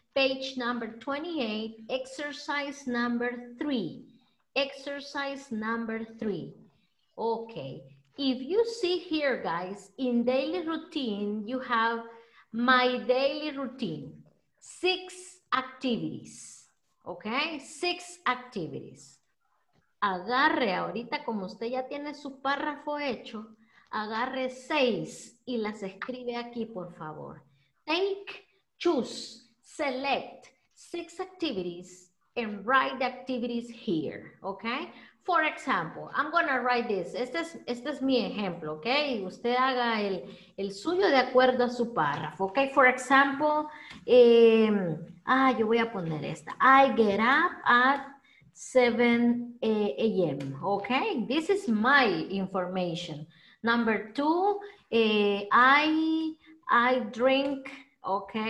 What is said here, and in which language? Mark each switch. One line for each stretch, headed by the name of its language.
English: Page number 28, exercise number 3. Exercise number 3. Okay. If you see here, guys, in daily routine, you have my daily routine, 6 activities, okay? 6 activities.
Spanish: Agarre ahorita, como usted ya tiene su párrafo hecho, agarre 6 y las escribe aquí, por favor.
English: Take, choose, select 6 activities and write the activities here, okay? For example, I'm going to write this.
Spanish: Este es mi ejemplo,
English: ¿ok?
Spanish: Usted haga el suyo de acuerdo a su párrafo, ¿ok?
English: For example,
Spanish: yo voy a poner esta.
English: I get up at 7 a.m., ¿ok? This is my information. Number two, I drink, ¿ok?